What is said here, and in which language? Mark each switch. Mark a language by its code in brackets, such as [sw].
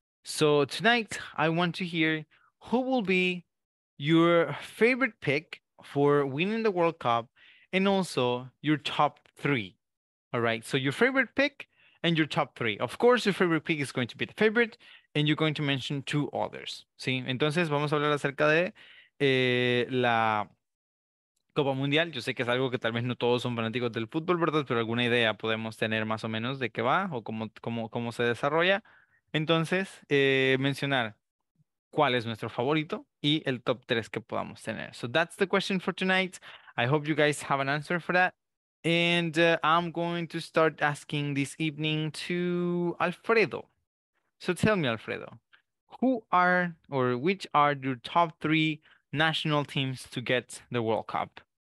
[en] So tonight, I want to hear who will be your favorite pick for winning the World Cup and also your top three. All right, so your favorite pick and your top three. Of course, your favorite pick is going to be the favorite, and you're going to mention two others. [es] Sí, entonces vamos a hablar acerca de la Copa Mundial. Yo sé que es algo que tal vez no todos son fanáticos del fútbol, ¿verdad? Pero alguna idea podemos tener más o menos de qué va o cómo se desarrolla. Entonces, mencionar cuál es nuestro favorito y el top tres que podamos tener. [en] So that's the question for tonight. I hope you guys have an answer for that. And I'm going to start asking this evening to Alfredo. So tell me, Alfredo, who are or which are your top three national teams to get the World Cup?